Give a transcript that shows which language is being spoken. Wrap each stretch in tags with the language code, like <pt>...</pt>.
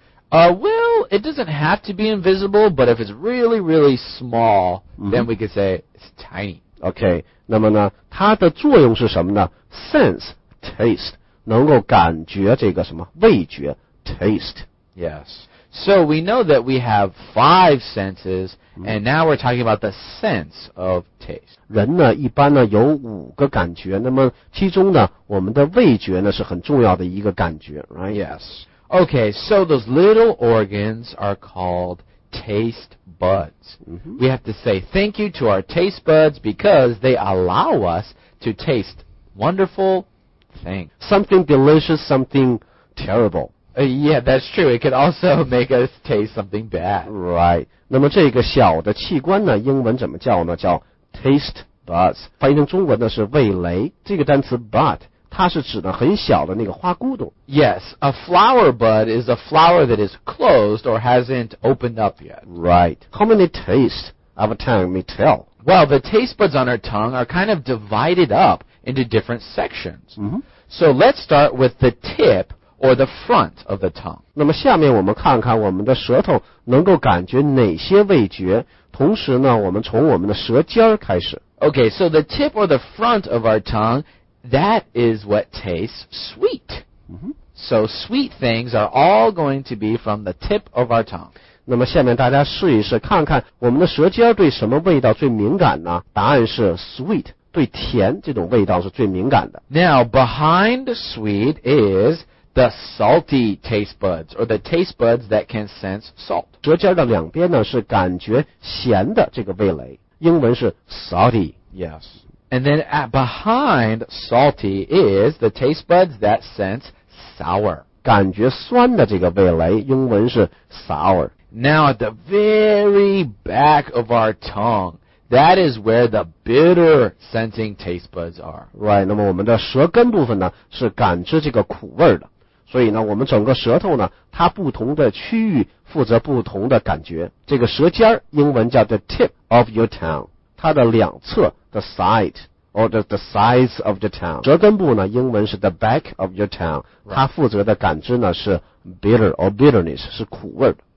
<en>Well, it doesn't have to be invisible, but if it's really, really small, then we could say it's tiny.</en> <zh>Okay, 那么呢，它的作用是什么呢 ？Sense, taste, 能够感觉这个什么味觉 ，taste.</zh> <en>Yes. So we know that we have five senses, and now we're talking about the sense of taste.</en> <zh>人呢，一般呢有五个感觉，那么其中呢，我们的味觉呢是很重要的一个感觉 ，right?</zh> <en>Yes. Okay, so those little organs are called taste buds. We have to say thank you to our taste buds because they allow us to taste wonderful things. Something delicious, something terrible. Yeah, that's true. It could also make us taste something bad. Right.</en> <zh>那么这个小的器官呢，英文怎么叫呢？叫 taste buds. 翻译成中文呢是味蕾。这个单词 bud. 它是指的很小的那个花骨朵。</zh> <en>Yes, a flower bud is a flower that is closed or hasn't opened up yet. Right. How many tastes of a tongue may tell? Well, the taste buds on our tongue are kind of divided up into different sections. So let's start with the tip or the front of the tongue.</en> <zh>那么下面我们看看我们的舌头能够感觉哪些味觉，同时呢，我们从我们的舌尖开始。</zh> <en>Okay, so the tip or the front of our tongue, that is what tastes sweet. Mm-hmm. So sweet things are all going to be from the tip of our tongue.</en> <zh>那么下面大家试一试，看看我们的舌尖对什么味道最敏感呢？答案是 sweet， 对甜这种味道是最敏感的。</zh> <en>Now, behind sweet is the salty taste buds, or the taste buds that can sense salt.</en> <zh>舌尖的两边呢，是感觉咸的这个味蕾，英文是 salty.</zh> <en>Yes. And then at behind salty is the taste buds that sense sour.</en> <zh>感觉酸的这个味蕾，英文是 sour.</zh> <en>Now, at the very back of our tongue, that is where the bitter sensing taste buds are.</en> <zh>Right, 那么我们的舌根部分呢，是感知这个苦味的。所以呢，我们整个舌头呢，它不同的区域负责不同的感觉。这个舌尖英文叫</zh> <en>the tip of your tongue,</en> <zh>它的两侧</zh> <en>the side, or the sides of the tongue.</en> <zh>舌根部呢，英文是</zh> <en>the back of your tongue,</en> <zh>它负责的感知呢，是</zh> <en>bitter or bitterness,</en> <zh>是苦味的。</zh>